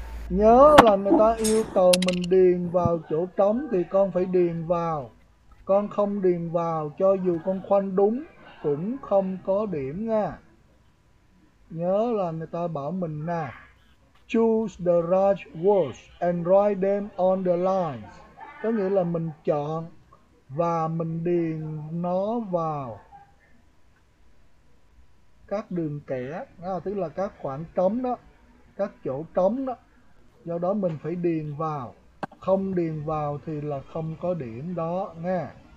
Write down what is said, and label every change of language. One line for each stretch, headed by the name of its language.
Vietnamese: Nhớ là người ta yêu cầu mình điền vào chỗ trống thì con phải điền vào. Con không điền vào cho dù con khoanh đúng cũng không có điểm nha. Nhớ là người ta bảo mình nè.
English: Choose the right words and write them on the lines.
Vietnamese: Có nghĩa là mình chọn và mình điền nó vào các đường kẻ, tức là các khoảng trống đó, các chỗ trống đó. Do đó mình phải điền vào. Không điền vào thì là không có điểm đó nha.